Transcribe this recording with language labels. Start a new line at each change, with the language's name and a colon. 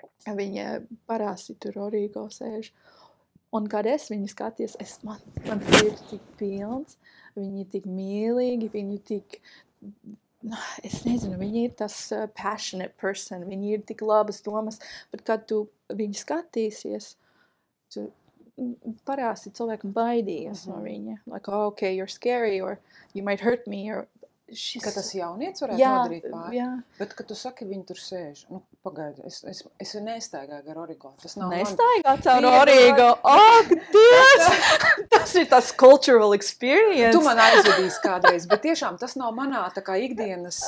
Latvian: Viņa parasti tur Origo sēž. Un, kad es viņu skaties, man ir tik pilns, viņi ir tik mīlīgi, viņi ir tik, es nezinu, viņi ir tas passionate person, viņi ir tik labas domas, bet, kad tu viņu skatīsies, tu parasti cilvēkam baidījies no viņa.
English: Like, oh, okay, you're scary, or you might hurt me, or
Latvian: šis... Ka tas jaunietis varētu nodarīt pār, bet, kad tu saki, viņi tur sēž, nu, pagaidu, es ir nestaigāju ar Origo. Tas nav nestaigāju ar Origo? Ak, Dievs! Tas ir tas cultural experience. Tu man aizvedīsi kādreiz, bet tiešām tas nav manā tā kā ikdienas